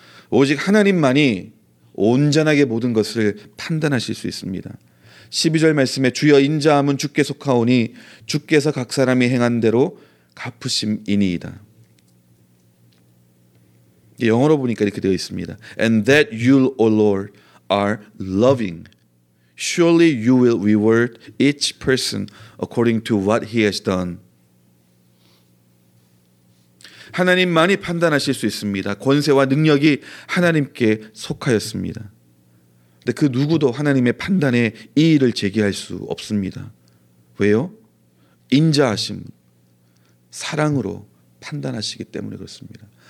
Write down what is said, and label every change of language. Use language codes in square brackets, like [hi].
[ko] 오직 하나님만이 온전하게 모든 것을 판단하실 수 있습니다. 12절 말씀에 주여 인자함은 주께 속하오니 주께서 각 사람이 행한 대로 갚으심이니이다. 영어로 보니까 이렇게 되어 있습니다. [en] And that you, O Lord, are loving. Surely you will reward each person according to what he has done. [ko] 하나님만이 판단하실 수 있습니다. 권세와 능력이 하나님께 속하였습니다. 근데 그 누구도 하나님의 판단에 이의를 제기할 수 없습니다. 왜요? 인자하심, 사랑으로 판단하시기 때문에 그렇습니다.